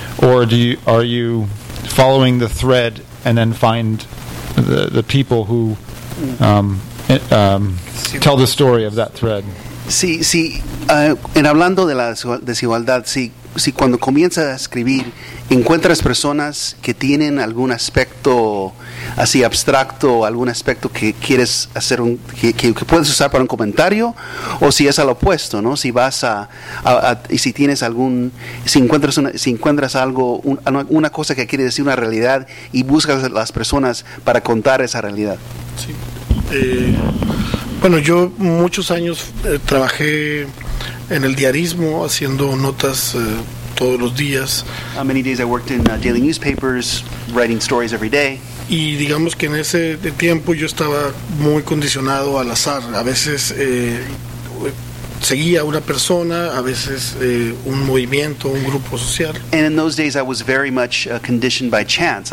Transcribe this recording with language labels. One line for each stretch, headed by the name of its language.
English: Or are you following the thread and then find the people who tell the story of that thread?
Spanish: Sí, sí. En hablando de la desigualdad, sí, cuando comienzas a escribir, encuentras personas que tienen algún aspecto así abstracto algún aspecto que quieres hacer un que puedes usar para un comentario, o si es al opuesto, ¿no? Si vas a y si tienes algún si encuentras una cosa que quiere decir una realidad y buscas a las personas para contar esa realidad. Sí. Bueno, yo muchos años trabajé en el diarismo haciendo notas todos los días.
English: How many days I worked in daily newspapers, writing stories every day.
Spanish: Y digamos que en ese tiempo yo estaba muy condicionado al azar. A veces seguía una persona, a veces un movimiento, un grupo social.
English: And in those days I was very much conditioned by chance.